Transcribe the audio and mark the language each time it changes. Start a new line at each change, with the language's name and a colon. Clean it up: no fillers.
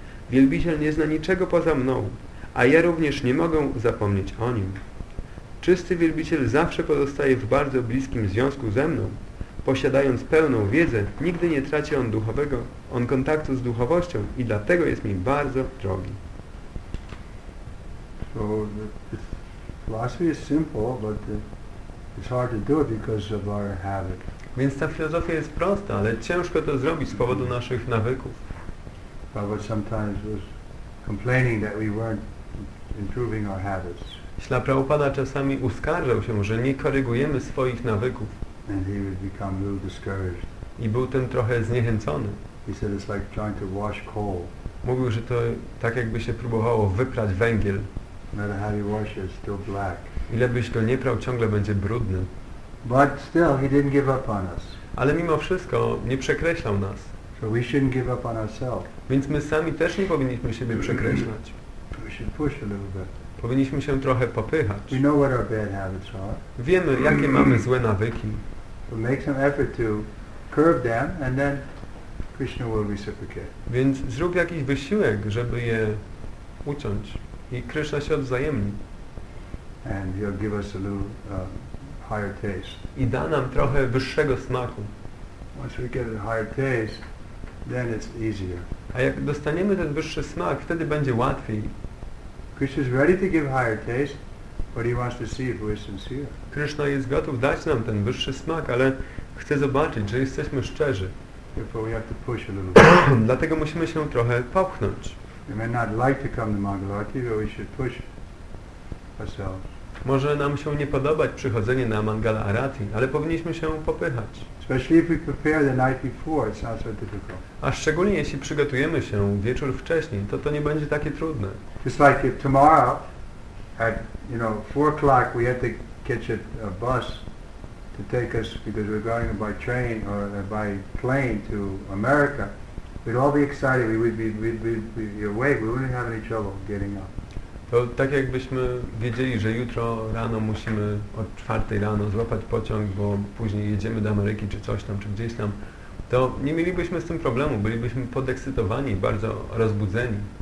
Polish: Wielbiciel nie zna niczego poza mną, a ja również nie mogę zapomnieć o nim. Czysty wielbiciel zawsze pozostaje w bardzo bliskim związku ze mną. Posiadając pełną wiedzę, nigdy nie traci on kontaktu z duchowością i dlatego jest mi bardzo drogi.
English: So this philosophy is simple, but it's hard to do it because of our habit.
Polish: Więc ta filozofia jest prosta, ale ciężko to zrobić z powodu naszych nawyków.
English: Prabhupada sometimes was complaining that we weren't improving our habits.
Polish: Śla Prabhupada czasami uskarżał się, że nie korygujemy swoich nawyków.
English: And he would become a little discouraged.
Polish: I był ten trochę zniechęcony.
English: He said it's like trying to wash coal.
Polish: Mówił, że to tak jakby się próbowało wyprać węgiel.
English: No matter how you wash it, it's still black.
Polish: Ile byś go nie prał, ciągle będzie brudny.
English: But still, he didn't give up on us.
Polish: Ale mimo wszystko nie przekreślał nas.
English: So we shouldn't give up on ourselves.
Polish: Więc my sami też nie powinniśmy siebie przekreślać.
English: We should push a little bit.
Polish: Powinniśmy się trochę popychać.
English: We know what our bad habits are.
Polish: Wiemy, jakie mamy złe nawyki.
English: So make some effort to curb them and then Krishna will reciprocate.
Polish: Więc zrób jakiś wysiłek, żeby je uciąć i Krishna się odwzajemni.
English: And he'll give us a little higher taste.
Polish: I da nam trochę wyższego smaku.
English: Once we get a higher taste, then it's easier.
Polish: A jak dostaniemy ten wyższy smak, wtedy będzie łatwiej.
English: Krishna is ready to give higher taste, but he wants to see if we're sincere.
Polish: Krishna jest gotów dać nam ten wyższy smak, ale chce zobaczyć, że jesteśmy szczerzy.
English: Therefore we have to push a little bit.
Polish: Dlatego musimy się trochę popchnąć.
English: We may not like to come to Mangalarti, but we should push ourselves.
Polish: Może nam się nie podobać przychodzenie na Mangala Arati, ale powinniśmy się popychać.
English: Especially if we prepare the night before, it's not so difficult.
Polish: A szczególnie jeśli przygotujemy się wieczór wcześniej, to nie będzie takie trudne.
English: Just like if tomorrow at, you know, 4 o'clock we had to catch a bus to take us because we're going by train or by plane to America, we'd all be excited. We'd be awake. We wouldn't have any trouble getting up.
Polish: To tak jakbyśmy wiedzieli, że jutro rano musimy o 4 rano złapać pociąg, bo później jedziemy do Ameryki czy coś tam, czy gdzieś tam, to nie mielibyśmy z tym problemu, bylibyśmy podekscytowani, bardzo rozbudzeni.